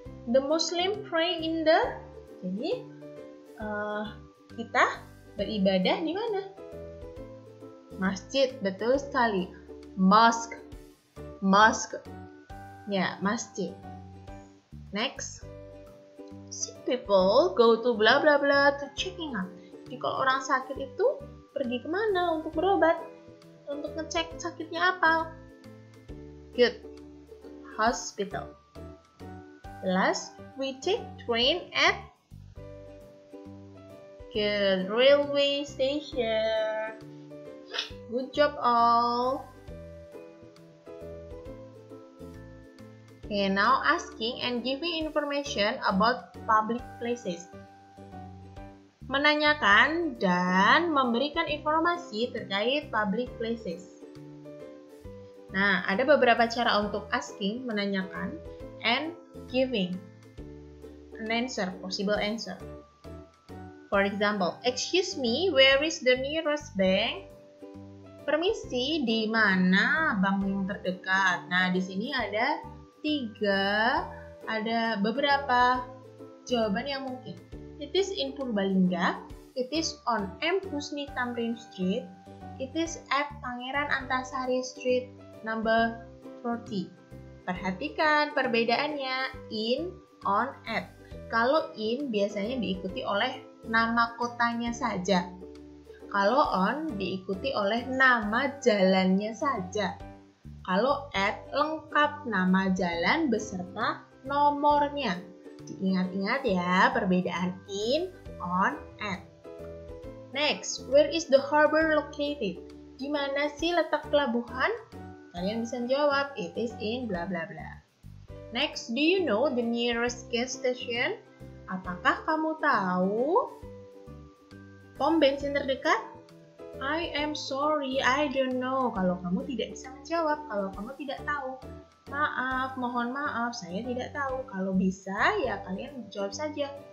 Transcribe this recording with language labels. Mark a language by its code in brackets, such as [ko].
[en] The Muslim pray in the. [id] Jadi kita beribadah di mana? Masjid, betul sekali. Mosque. Ya, masjid. Next. [en] Sick people go to blah blah blah to checking up. [id] Jadi kalau orang sakit itu pergi kemana untuk berobat? Untuk ngecek sakitnya apa? [en] Good. Hospital. Last, we take train at the railway station. Good job all. Okay, now asking and giving information about public places. [id] Menanyakan dan memberikan informasi terkait public places. Nah, ada beberapa cara untuk asking, menanyakan, [en] and giving an answer, possible answer. For example, excuse me, where is the nearest bank? [id] Permisi, di mana bank yang terdekat? Nah, di sini ada beberapa jawaban yang mungkin. [en] It is in Purbalingga. It is on M. Husni Tamrin Street. It is at Pangeran Antasari Street number 40. [id] Perhatikan perbedaannya in, on, at. Kalau in biasanya diikuti oleh nama kotanya saja. Kalau on diikuti oleh nama jalannya saja. Kalau at lengkap nama jalan beserta nomornya. Diingat-ingat ya perbedaan in, on, at. [en] Next, where is the harbor located? [id] Di mana sih letak pelabuhan? Kalian bisa jawab, [en] it is in bla bla bla. Next, do you know the nearest gas station? [id] Apakah kamu tahu pom bensin terdekat? [en] I am sorry, I don't know. [id] Kalau kamu tidak bisa menjawab, kalau kamu tidak tahu. Maaf, mohon maaf, saya tidak tahu. Kalau bisa, ya kalian jawab saja.